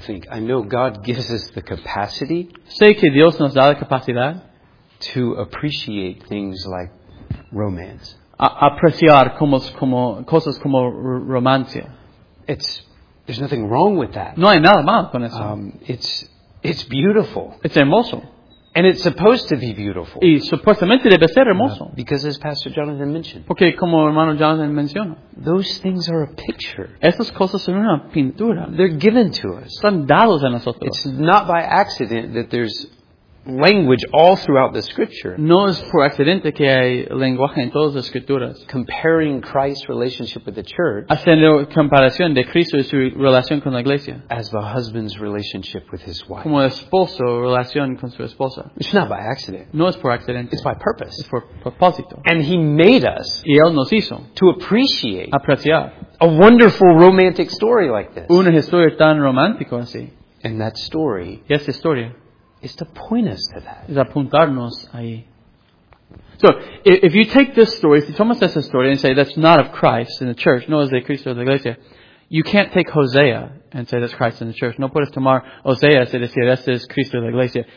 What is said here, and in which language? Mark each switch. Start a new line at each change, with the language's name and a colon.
English: I know God gives us the capacity.
Spanish: Sé que Dios nos da la capacidad
English: to appreciate things like romance.
Spanish: Apreciar cosas como romancia.
English: There's nothing wrong with that.
Spanish: No hay nada mal con eso.
English: It's beautiful. It's
Spanish: hermoso.
English: And it's supposed to be beautiful.
Spanish: Y supuestamente debe ser hermoso.
English: Because as Pastor Jonathan mentioned.
Spanish: Porque como hermano Jonathan mencionó.
English: Those things are a picture.
Spanish: Esas cosas son una pintura.
English: They're given to us.
Spanish: Son dados a nosotros.
English: It's not by accident that there's language all throughout the scripture.
Spanish: No es por accidente que hay lenguaje en todas las escrituras.
English: Comparing Christ's relationship with the church.
Spanish: Haciendo comparación de Cristo y su relación con la iglesia.
English: As the husband's relationship with his wife.
Spanish: Como esposo relación con su esposa.
English: It's not by accident.
Spanish: No es por accidente.
English: It's by purpose.
Spanish: Es por propósito.
English: And he made us.
Spanish: Y él nos hizo.
English: To appreciate.
Spanish: Apreciar.
English: A wonderful romantic story like this.
Spanish: Una historia tan romántica así.
English: And that story.
Spanish: Y esa historia.
English: is to point us to that.
Spanish: Es apuntarnos ahí.
English: So, if you take this story, if you tell us this story and say that's not of Christ in the church,
Spanish: no es de Cristo de la iglesia,
English: you can't take Hosea and say that's Christ in the church.
Spanish: No puedes tomar Hosea y decir, este es Cristo de la iglesia.